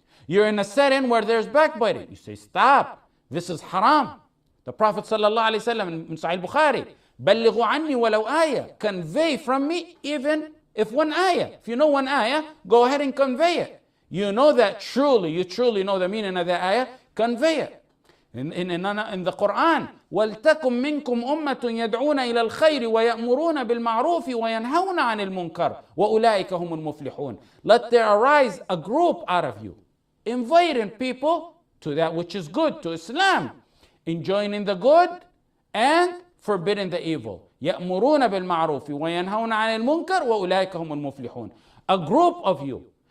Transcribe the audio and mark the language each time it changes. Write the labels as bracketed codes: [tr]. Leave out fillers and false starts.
[en] You're in a setting where there's backbiting. You say, stop, this is haram. The Prophet sallallahu alayhi wa sallam in Sahih Bukhari, [ar] بَلِّغُ عَنِّي وَلَوْ آيَةً, [en] convey from me even if one ayah. If you know one ayah, go ahead and convey it. You know that truly, you truly know the meaning of the ayah, convey it. In the Quran, [ar] وَلْتَكُمْ مِنْكُمْ أُمَّةٌ يَدْعُونَ إِلَى الْخَيْرِ وَيَأْمُرُونَ بِالْمَعْرُوفِ وَيَنْهَوْنَ عَنِ الْمُنْكَرِ وَأُولَٰئِكَ هُمُ الْمُفْلِحُونَ. [en] Let there arise a group out of you, inviting people to that which is good, to Islam, enjoining the good and forbidding the evil. [ar] يَأْمُرُونَ بِالْمَعْرُوفِ وَيَنْهَوْنَ عَنِ الْمُنْكَرِ وَأُولَٰئِكَ هُمُ الْمُفْلِحُونَ. [en] A group of you.